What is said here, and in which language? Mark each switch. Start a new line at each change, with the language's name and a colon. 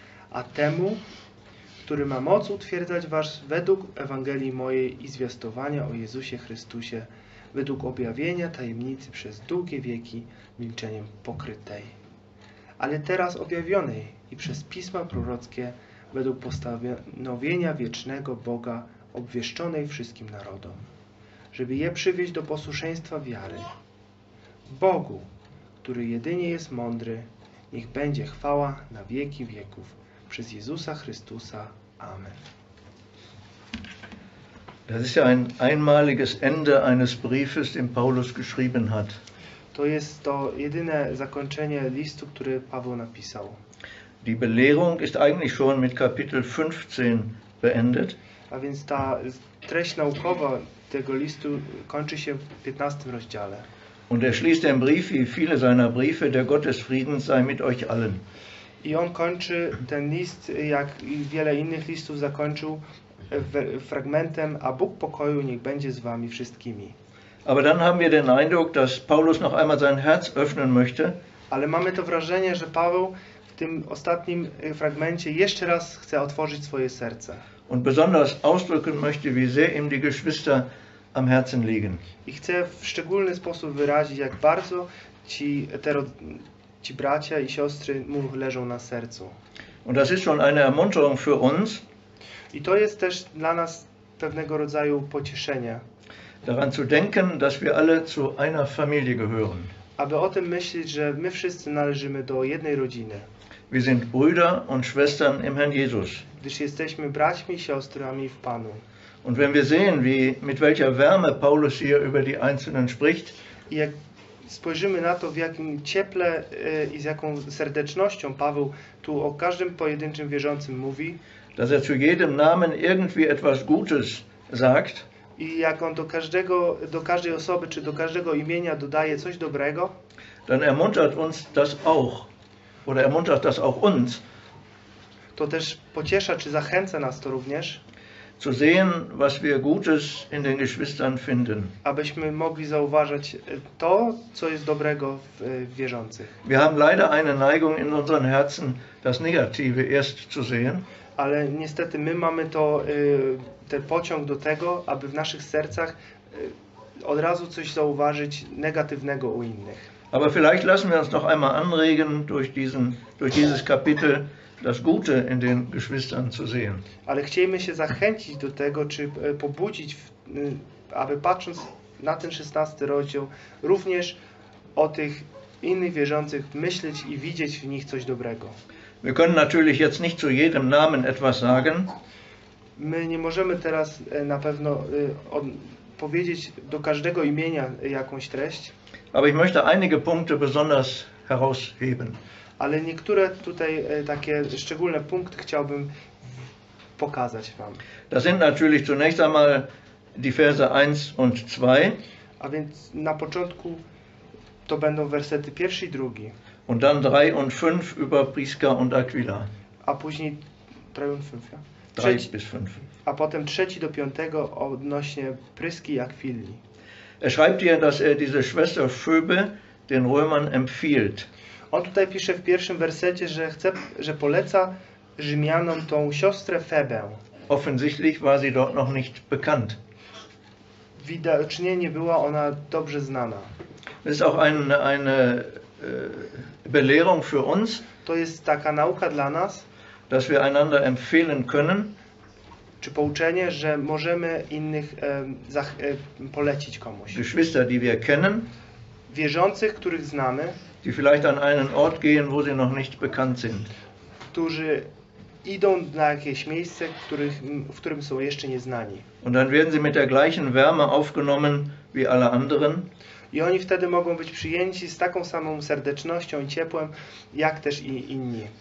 Polish: A temu, który ma moc utwierdzać was według Ewangelii mojej i zwiastowania o Jezusie Chrystusie, według objawienia tajemnicy przez długie wieki milczeniem pokrytej, ale teraz objawionej i przez pisma prorockie, według postanowienia wiecznego Boga obwieszczonej wszystkim narodom, żeby je przywieść do posłuszeństwa wiary. Bogu, który jedynie jest mądry, niech będzie chwała na wieki wieków. Przez Jezusa Chrystusa. Amen.
German: Das ist ja ein einmaliges Ende eines Briefes, den Paulus geschrieben hat.
Polish: To jest to jedyne zakończenie listu, który Paweł napisał.
German: Die Belehrung ist eigentlich schon mit Kapitel 15 beendet.
Polish: A więc ta treść naukowa tego listu kończy się w 15 rozdziale.
German: Und schließt den Brief wie viele seiner Briefe: Der Gott des Friedens sei mit euch allen.
Polish: I on kończy ten list, jak wiele innych listów zakończył, fragmentem: A Bóg pokoju niech będzie z wami wszystkimi.
German: Aber dann haben wir den Eindruck, dass Paulus noch einmal sein Herz öffnen möchte.
Polish: Ale mamy to wrażenie, że Paweł w tym ostatnim fragmencie jeszcze raz chce otworzyć swoje serce.
German: Und besonders ausdrücken möchte, wie sehr ihm die Geschwister am Herzen liegen.
Polish: I chcę w szczególny sposób wyrazić, jak bardzo ci bracia i siostry mu leżą na sercu.
German: Und das ist schon eine Ermunterung für uns.
Polish: I to jest też dla nas pewnego rodzaju pocieszenie.
German: Daran zu denken, dass wir alle zu einer Familie gehören.
Polish: Aby o tym myśleć, że my wszyscy należymy do jednej rodziny.
German: Wir sind Brüder und Schwestern im Herrn Jesus.
Polish: Gdyż jesteśmy braćmi i siostrami w Panu.
German: Und wenn wir sehen, wie mit welcher Wärme Paulus hier über die Einzelnen spricht,
Polish: jak spojrzymy na to, w jakim cieple i z jaką serdecznością Paweł tu o każdym pojedynczym wierzącym mówi,
German: dass er zu jedem Namen irgendwie etwas Gutes sagt,
Polish: i jak on do każdej osoby czy do każdego imienia dodaje coś dobrego,
German: dann ermuntert uns das auch, oder ermuntert das auch uns,
Polish: to też pociesza czy zachęca nas to również,
German: zu sehen, was wir Gutes in den Geschwistern finden.
Polish: Abyśmy mogli zauważyć to, co jest dobrego w wierzących.
German: Wir haben leider eine Neigung in unseren Herzen, das Negative erst zu sehen.
Polish: Ale niestety my mamy to ten pociąg do tego, aby w naszych sercach od razu coś zauważyć negatywnego u innych.
German: Aber vielleicht lassen wir uns noch einmal anregen durch dieses Kapitel, das Gute in den Geschwistern zu sehen.
Polish: Ale chcielibyśmy się zachęcić do tego, czy pobudzić, aby patrząc na ten 16 rozdział, również o tych innych wierzących myśleć i widzieć w nich coś dobrego.
German: Wir können natürlich jetzt nicht zu jedem Namen etwas sagen.
Polish: My nie możemy teraz na pewno powiedzieć do każdego imienia jakąś treść.
German: Aber ich möchte einige Punkte besonders herausheben.
Polish: Ale niektóre tutaj takie szczególne punkty chciałbym pokazać wam.
German: Das sind natürlich zunächst einmal die Verse 1 und 2.
Polish: A więc na początku to będą wersety 1 i 2.
German: Und dann 3 und 5 über Priska und Aquila.
Polish: A później
German: 3 und 5, ja? 3 bis 5.
Polish: A potem 3 do 5 odnośnie Pryski i Aquili.
German: Er schreibt hier, dass er diese Schwester Phoebe den Römern empfiehlt.
Polish: On tutaj pisze w pierwszym wersecie, że poleca Rzymianom tą siostrę Febę.
German: Offensichtlich war sie dort noch nicht bekannt.
Polish: Widocznie nie była ona dobrze znana.
German: Das ist auch eine Belehrung für uns.
Polish: To jest taka nauka dla nas,
German: dass wir einander empfehlen können.
Polish: Czy pouczenie, że możemy innych polecić komuś.
German: Geschwister, die wir kennen.
Polish: Wierzących, których znamy.
German: Die vielleicht an einen Ort gehen, wo sie noch nicht bekannt sind.
Polish: Którzy idą na jakieś miejsce, w którym są jeszcze nieznani.
German: Und dann werden sie mit der gleichen Wärme aufgenommen wie alle anderen.
Polish: I oni wtedy mogą być przyjęci z taką samą serdecznością i ciepłem, jak też i inni.